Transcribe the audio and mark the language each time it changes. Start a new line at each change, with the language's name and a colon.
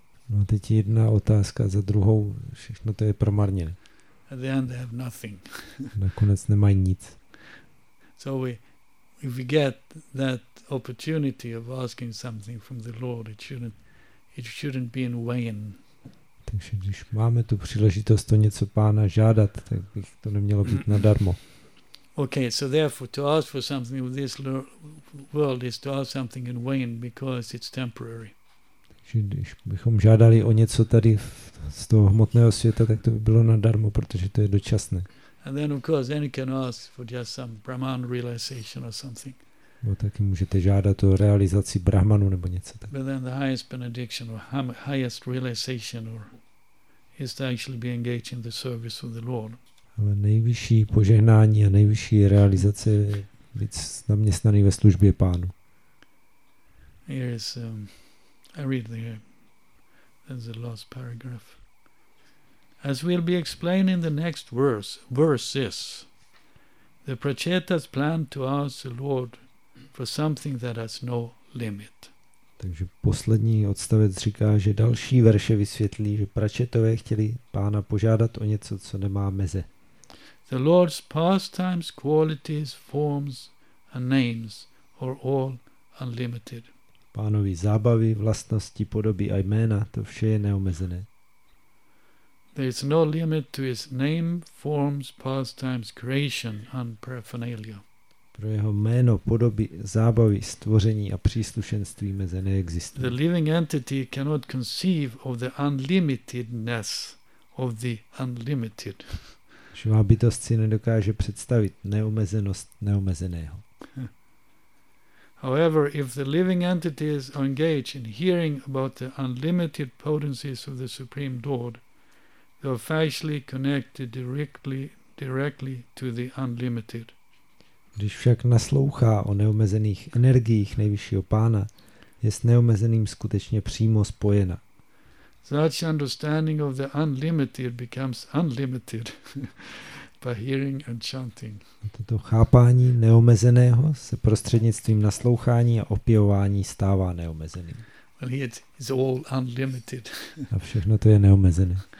Czech: No teď jedna otázka za druhou, všechno to je promarněné.
English: And then they have nothing.
Czech: Nakonec nemají nic.
English: So we, if we get that opportunity of asking something from the Lord, it shouldn't be in vain.
Czech: Takže když máme tu příležitost to něco Pána žádat, tak bych to nemělo být nadarmo.
English: Okay, so therefore to ask for something of this world is to ask something in vain because it's temporary.
Czech: Takže když bychom žádali o něco tady z toho hmotného světa, tak to by bylo nadarmo, protože to je dočasné.
English: And then of course any can ask for just some Brahman realization or something.
Czech: No, taky můžete žádat o realizaci Brahmanu nebo něco tak.
English: But then the highest benediction or highest realization or is to actually be engaged in the service of the Lord.
Czech: Ale nejvyšší požehnání a nejvyšší realizace je být zaměstnaný ve službě Pánu.
English: Here is I read there. That's the last paragraph. As we'll be explaining in the next verses, the Prachetas plan to ask the Lord for something that has no limit.
Czech: Takže poslední odstavec říká, že další verše vysvětlí, že Prachetové chtěli Pána požádat o něco, co nemá meze.
English: The Lord's pastimes, qualities, forms and names are all unlimited.
Czech: Pánovi zábavy, vlastnosti, podoby a jména, to vše je neomezené.
English: There is no limit to his name, forms, pastimes, creation and paraphernalia.
Czech: Pro jeho jméno, podoby, zábavy, stvoření a příslušenství meze neexistuje.
English: The living entity cannot conceive of the unlimitedness of the unlimited.
Czech: Živá bytost si nedokáže představit neomezenost neomezeného.
English: However, if the living entities are engaged in hearing about the unlimited potencies of the Supreme Lord, they are factually connected directly to the unlimited.
Czech: Když však naslouchá o neomezených energiích nejvyššího Pána, je s neomezeným skutečně přímo spojena.
English: Such understanding of the unlimited becomes unlimited by hearing and chanting.
Czech: Toto chápání neomezeného se prostřednictvím naslouchání a opěvování stává neomezeným.
English: Well, it's all unlimited.
Czech: A všechno to je neomezené.